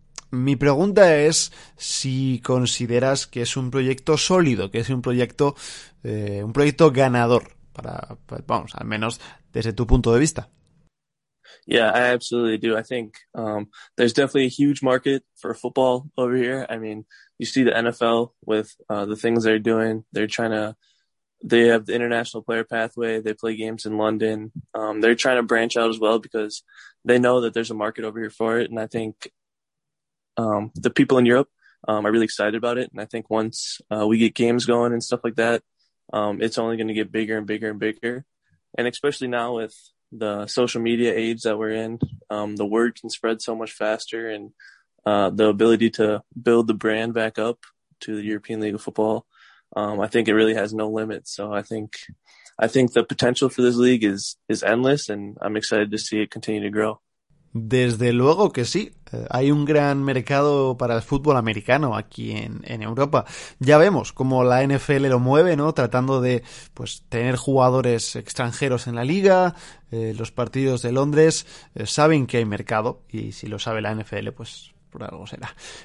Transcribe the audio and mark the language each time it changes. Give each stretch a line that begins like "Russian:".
Spanish: Mi pregunta es si consideras que es un proyecto sólido, que es un proyecto ganador, para vamos, al menos desde tu punto de vista.
English: Yeah, I absolutely do. I think there's definitely a huge market for football over here. I mean, you see the NFL with the things they're doing. They have the international player pathway. They play games in London. They're trying to branch out as well because they know that there's a market over here for it. And I think the people in Europe are really excited about it. And I think once we get games going and stuff like that, it's only going to get bigger and bigger and bigger. And especially now with the social media age that we're in, the word can spread so much faster, and the ability to build the brand back up to the European League of Football, I think it really has no limits. So I think the potential for this league is endless, and I'm excited to see it continue to grow.
Spanish: Desde luego que sí. Hay un gran mercado para el fútbol americano aquí en Europa. Ya vemos cómo la NFL lo mueve, ¿no? Tratando de, pues, tener jugadores extranjeros en la liga, los partidos de Londres. Saben que hay mercado, y si lo sabe la NFL, pues por algo será.